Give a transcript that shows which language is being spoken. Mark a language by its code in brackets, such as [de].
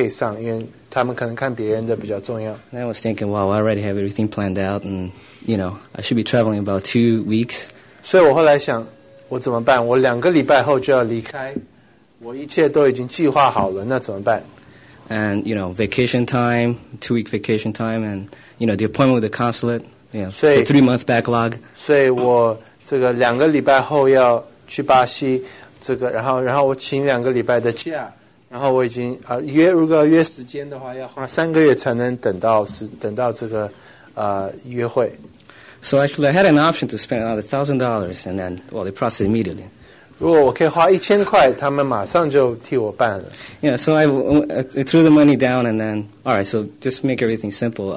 [zh] 所以在1月的时候就是很多事情发生，但是我为了说的简短一点，就是我律师告诉我，他们可能没有注重在你的这个case上，因为他们可能看别人的比较重要。 [en] And I was thinking, wow, I already have everything planned out, and I should be traveling about 2 weeks. [zh] 所以我后来想，我怎么办？我2个礼拜后就要离开，我一切都已经计划好了，那怎么办？ [en] And, vacation time, 2 week vacation time, and, the appointment with the consulate, the 3 month backlog. [zh] 所以我这个2个礼拜后要去巴西，然后我请2个礼拜的假，然后我已经约，如果约时间的话，要花3个月才能等到这个约会。 [en] So actually, I had an option to spend another $1,000, and then, they process immediately. [zh] 如果我可以花1000块，他们马上就替我办了。 [en] Yeah, so I threw the money down, and then all right. So just make everything simple.